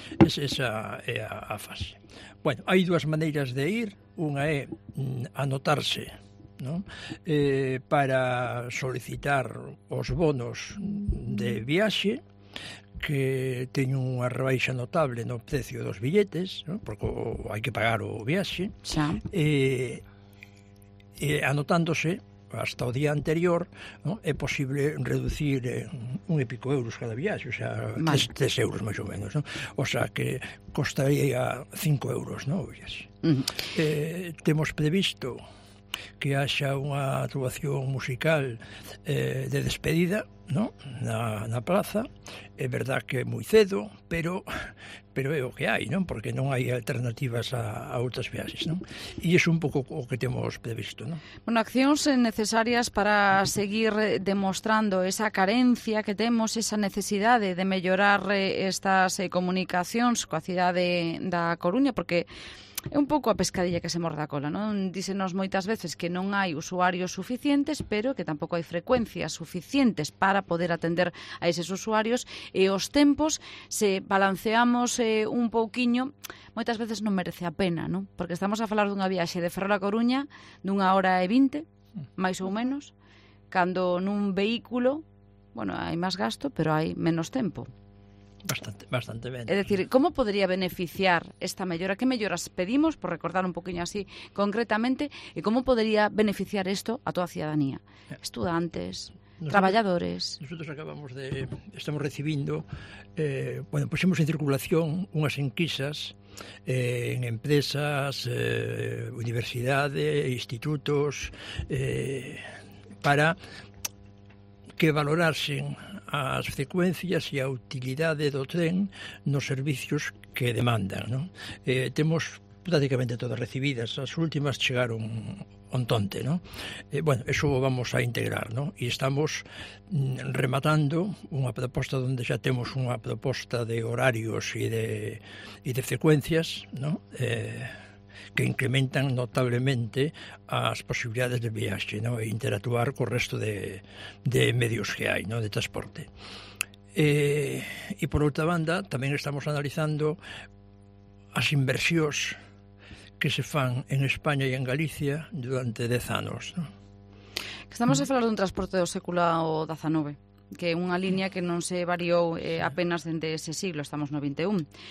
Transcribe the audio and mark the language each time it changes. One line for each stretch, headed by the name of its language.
Galician: Esa é a fase. Bueno, hai dúas maneiras de ir. Unha é anotarse, non? Para solicitar os bonos de viaxe, que teño unha rebaixa notable no precio dos billetes, ¿no? Porque hai que pagar o viaxe. Xa. Anotándose hasta o día anterior, ¿no? É posible reducir un e pico euros cada viaxe, o sea, 3 euros máis ou menos, ¿no? O sea, que costaría 5 euros, ¿no? O viaxe. Temos previsto que haxa unha actuación musical de despedida, ¿no? Na plaza. É verdad que é moi cedo, pero é o que hai, non? Porque non hai alternativas a outras viaxes, non? E é un pouco o que temos previsto, non? Bueno, accións necesarias para seguir demostrando esa carencia que temos, esa necesidade de mellorar estas comunicacións coa cidade da Coruña, porque é un pouco a pescadilla que se morde a cola, non? Dísenos moitas veces que non hai usuarios suficientes, pero que tampouco hai frecuencias suficientes para poder atender a eses usuarios, e os tempos, se balanceamos un pouquiño, moitas veces non merece a pena, non? Porque estamos a falar dunha viaxe de Ferrol a Coruña dunha hora e 20, máis ou menos, cando nun vehículo, bueno, hai máis gasto, pero hai menos tempo.
Spanish: Bastante bien. Es decir, ¿cómo podría beneficiar esta mellora? ¿Qué melloras pedimos, por recordar un poquillo así concretamente, y cómo podría beneficiar esto a toda ciudadanía? Estudiantes, nosotros, trabajadores. Nosotros acabamos de, estamos recibiendo, bueno, pusimos en circulación unas enquisas en empresas, universidades, institutos, para que valorasen
Galician: as frecuencias e a utilidade do tren nos servicios que demandan,
Spanish: ¿no?
Galician: Temos prácticamente todas recibidas, as últimas chegaron ontonte, ¿no?
Spanish: Bueno, eso vamos a integrar, ¿no?
Galician: E estamos rematando unha proposta onde xa temos unha proposta de horarios e de frecuencias, ¿no? Que incrementan notablemente as posibilidades de viaxe, ¿no? E interactuar co resto de medios que hai, ¿no? De transporte. E por outra banda, tamén estamos analizando as inversións que se fan en España e en Galicia durante 10 anos, ¿no? Estamos a falar dun transporte do século XIX, que é unha línea que non se variou apenas dende ese siglo, estamos no 21.